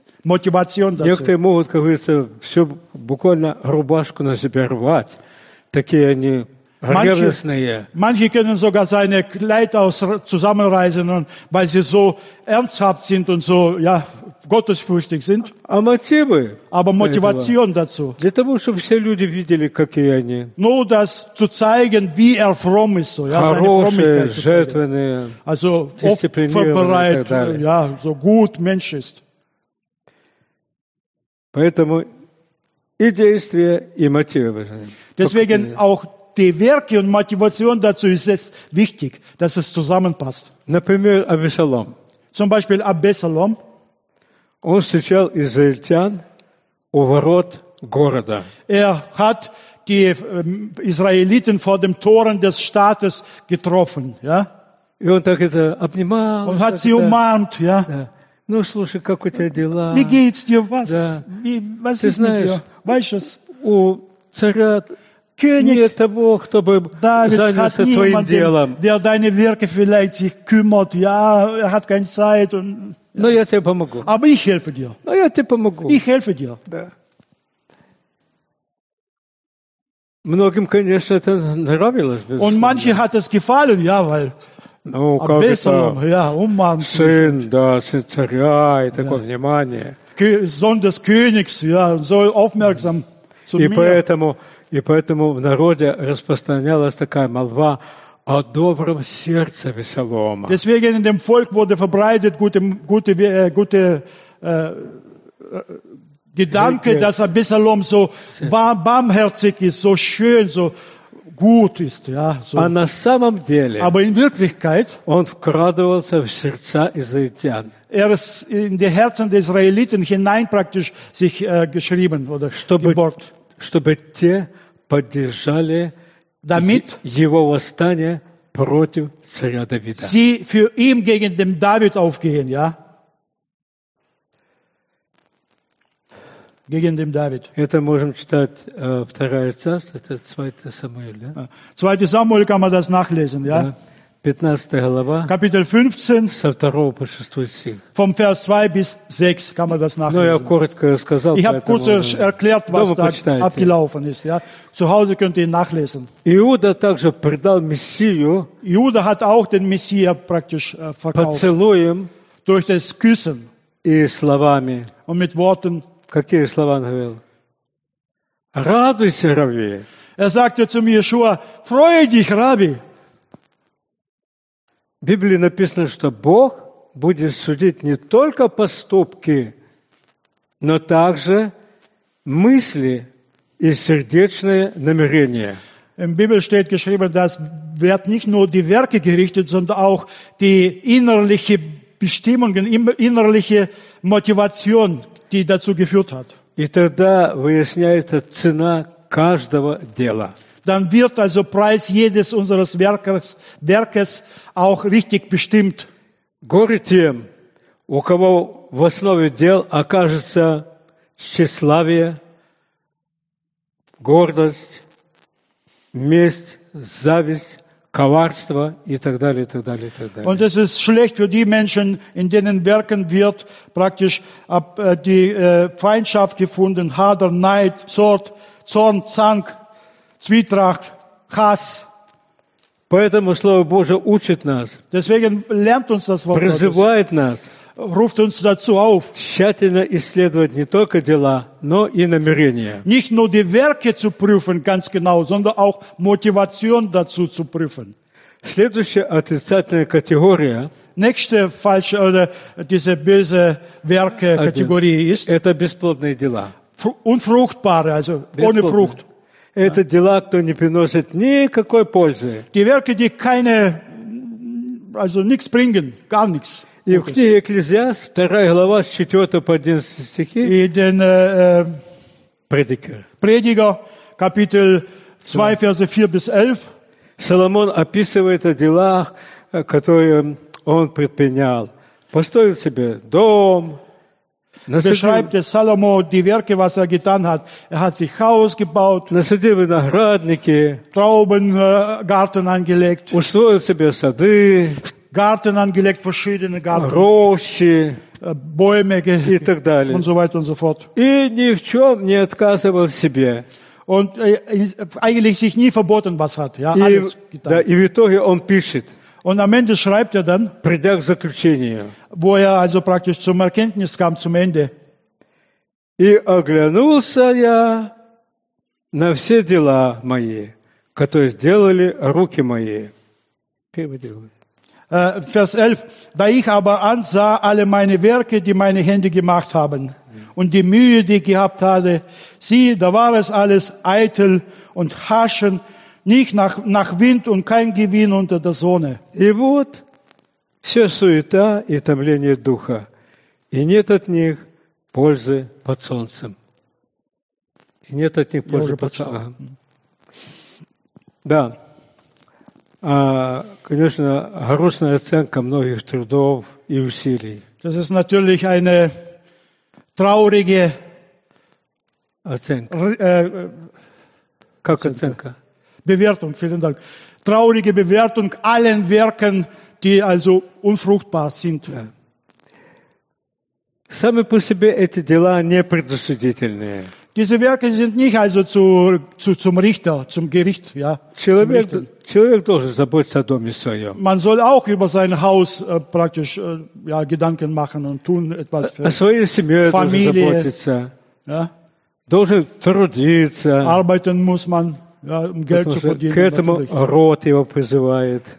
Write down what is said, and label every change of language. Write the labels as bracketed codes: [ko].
[ru] Мотивация дальше. Некоторые могут, как говорится, все буквально рубашку на себя рвать. Такие они ревностные. [de] Manche können sogar seine Kleid aus zusammenreißen, weil sie so ernsthaft sind und so, ja, gottesfürchtig sind. [ru] А мотивы? [de] Aber Motivation dazu. [ru] Для того, чтобы все люди видели, какие они. [de] Nur das zu zeigen, wie er fromm ist, so, ja, seine Frömmigkeit zu zeigen. Also oft vorbereitet, ja, so gut Mensch ist. [ru] Поэтому и действия, и мотивы важны. [de] Deswegen auch die Werke und Motivation dazu ist es wichtig, dass es zusammenpasst. [ru] Например, Абисалом. [de] Zum Beispiel Абисалом. [ru] Он встречал израильтян у ворот города. [de] Er hat die Israeliten vor dem Toren des Staates getroffen, ja? [ru] И он так это обнимал. Он [de] hat sie umarmt, ja? [ru] Ну, слушай, как у тебя дела? [de] Wie geht's dir? Was? [ru] Да. [de] Wie, was [ru] ты [de] ist [ru] знаешь, [de] mit dir? Weißt du's? [ru] У царя [de] König [ru] нет того, кто бы David занялся твоим делом. [de] Der deine Werke vielleicht sich kümmert. Ja, er hat keine Zeit. Und, [ru] ja. Но я тебе помогу. [de] Aber ich helfe dir. [ru] Но я тебе помогу. [de] Ich helfe dir. [ru] Да. Многим, конечно, это нравилось. Безусловно. [de] Und manche hat es gefallen, ja, weil... [ru] Ну, как Абисалом, это? [de] Ja, Umman, [ru] сын, да, сын царя, и такое ja. Внимание. [de] Sohn des Königs, ja, so aufmerksam zu mir. [ru] И поэтому в народе распространялась такая молва о добром сердце Абисалома. [de] Deswegen in dem Volk wurde verbreitet gute Gedanke, dass Абисалом so barmherzig ist, so schön, so gut ist, ja, so. [ru] А на самом деле, [de] aber in Wirklichkeit, [ru] он вкрадывался в сердца израильтян. [de] Er ist in die Herzen der Israeliten hinein praktisch sich geschrieben oder geborgt. [ru] Чтобы те поддержали [de] damit [ru] его восстание против царя Давида. [de] Sie für ihn gegen den David aufgehen, ja? Gegen den David. [ru] Это можем читать второе царство, это 2 Самуэль, да? [de] 2 Самуэль kann man das nachlesen, ja? [ru] 15 глава. [de] Kapitel 15. [ru] Со 2 по 6 стих. [de] Vom Vers 2 bis 6 kann man das nachlesen. [ru] Ну, я коротко сказал. [de] Ich habe kurz erklärt, was da [ru] почитайте. [de] Abgelaufen ist, ja? Zu Hause könnt ihr nachlesen. [ru] Иуда также предал Мессию. [de] Иуда hat auch den Messia praktisch verkauft. [ru] Поцелуем. [de] Durch das Küssen. [ru] И словами. [de] Und mit Worten. [ru] Какие слова он говорил? Радуйся, Рави. [de] Er sagte zu Иешуа, freue dich, Rabbi. [ru] В Библии написано, что Бог будет судить не только поступки, но также мысли и сердечные намерения. [de] In Bibel steht geschrieben, dass wird nicht nur die Werke gerichtet, sondern auch die innerliche Bestimmung, innerliche Motivation, die dazu geführt hat. [ru] И тогда выясняется цена каждого дела. [de] Dann wird also Preis jedes unseres Werkes auch richtig bestimmt. [ru] Горе тем, у кого в основе дел окажется тщеславие, гордость, месть, зависть, коварство и так далее, и так далее, и так далее. [de] Und es ist schlecht für die Menschen, in denen Werken wird praktisch die Feindschaft gefunden, Hader, Neid, Zorn, Zank, Zwietracht, Hass. [ru] Поэтому Слово Божие учит нас. [de] Deswegen lernt uns das Wort [ru] Gottes. Призывает нас. [de] Ruft uns dazu auf. [ru] Тщательно исследовать не только дела, но и намерения. [de] Nicht nur die Werke zu prüfen ganz genau, sondern auch Motivation dazu zu prüfen. [ru] Следующая отрицательная категория. [de] Nächste falsche oder diese böse Werke Kategorie ist. [ru] Это бесплодные дела. [de] Unfruchtbare, also ohne Frucht. [ru] Это дела, кто не приносит никакой пользы. [de] Die Werke, die keine, also nichts bringen, gar nichts. [ru] И в книге Экклезиаст, 2 глава, с 4 по 11 стихи. [de] И den Prediger, Kapitel 2, Verse 4 bis 11. [ru] Соломон описывает о делах, которые он предпринял. Построил себе дом. [de] Beschreibt der Salomo die Werke, was getan hat. Hat sich Haus gebaut. [ru] Насадил виноградники. [de] Trauben, Garten angelegt. [ru] Устроил себе сады. [de] Garten angelegt, verschiedene Garten. [ru] Рощи. [de] Bäume. [ru] И так далее. [de] Und so weiter und so fort. [ru] И ни в чем не отказывал себе. [de] Und eigentlich sich nie verboten, was hat. Ja, [ru] и, [de] alles getan. [ru] Да, и в итоге он пишет. [de] Und am Ende schreibt er dann, [ru] придя к заключению, [de] wo er also praktisch zum Erkenntnis kam, zum Ende. [ru] И оглянулся я на все дела мои, которые сделали руки мои. [de] Vers 11. Da ich aber ansah alle meine Werke, die meine Hände gemacht haben, und die Mühe, die ich gehabt hatte, sieh, da war es alles eitel und haschen, nicht nach Wind und kein Gewinn unter der Sonne. [ru] И вот все суета и томление духа, и нет от них пользы под солнцем. И нет от них пользы под солнцем. Да. Конечно, грустная оценка многих трудов и усилий. [de] Das ist natürlich eine traurige [ru] Оценка. Как оценка? [de] Bewertung, vielen Dank. Traurige Bewertung allen Werken, die also unfruchtbar sind. Ja. [ru] Сами по себе эти дела не предусудительные. [de] Diese Werke sind nicht also zum Richter, zum Gericht, ja. [ru] Человек должен заботиться о доме своем. [de] Man soll auch über sein Haus praktisch ja, Gedanken machen und tun etwas für Familie. [ru] О своей семье должен заботиться. [de] Ja. [ru] Должен трудиться. [de] Arbeiten muss man. Ja, Geld zu verdienen, [ru] к этому рот его призывает.